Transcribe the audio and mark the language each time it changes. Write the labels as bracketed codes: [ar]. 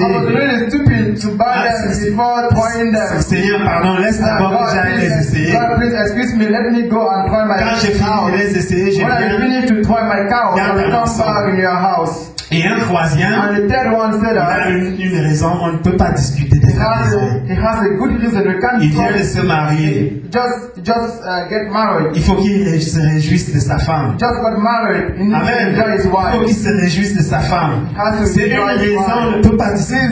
[en] I was really stupid to buy them before trying them. [fr] Seigneur, pardon, laisse d'abord que j'aille les essayer. [en] God, please excuse me, let me go and try my cow. [fr] Quand j'ai fini de les essayer, je viens. [en] When I finish to try my cow, I will come back in your house. [fr] Et un troisième, [en] and the third one said, [fr] il a une raison, on ne peut pas discuter de la raison. [en] He has a good reason. We can't. [fr] Il vient de se marier. [en] Just get married. [fr] Il faut qu'il se réjouisse de sa femme. [en] Just got married. He needs to enjoy his wife. [fr] Il faut qu'il se réjouisse de sa femme. [en] Has to [fr] c'est une raison, on ne peut pas discuter de